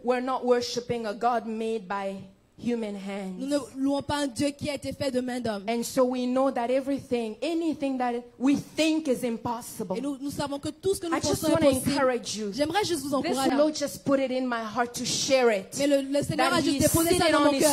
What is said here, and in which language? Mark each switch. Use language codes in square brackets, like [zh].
[en] We're not worshiping a God made by human hands. [fr] Nous ne louons pas un Dieu qui a été fait de main d'homme. [en] And so we know that everything, anything that we think is impossible. [fr] Et nous savons que tout ce que nous [en] I just want to encourage you. [fr] J'aimerais juste vous encourager. [en] This Lord just put it in my heart to share it. [fr] Mais le Seigneur a juste déposé ça dans mon cœur.